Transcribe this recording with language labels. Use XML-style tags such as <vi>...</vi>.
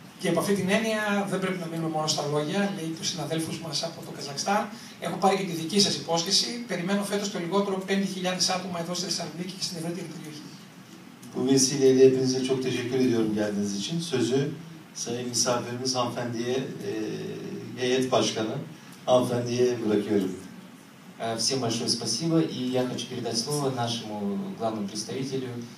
<el>Και από αυτή την έννοια δεν πρέπει να μείνουμε μόνο στα λόγια, λέει τους συναδέλφους μας από το Καζακστάν. Έχω πάρει και τη δική σας υπόσχεση. Περιμένω φέτος το λιγότερο 5.000 άτομα εδώ στη Θεσσαλονίκη και στην ευρύτερη περιοχή.</el> <tr>Bu vesileyle hepinize çok teşekkür ediyorum geldiğiniz için. Sözü sayın misafirimiz hanımefendiye, heyet başkanı hanımefendiye bırakıyorum.</tr> <ru>Всем большое спасибо, и я хочу передать слово нашему главному представителю.</ru>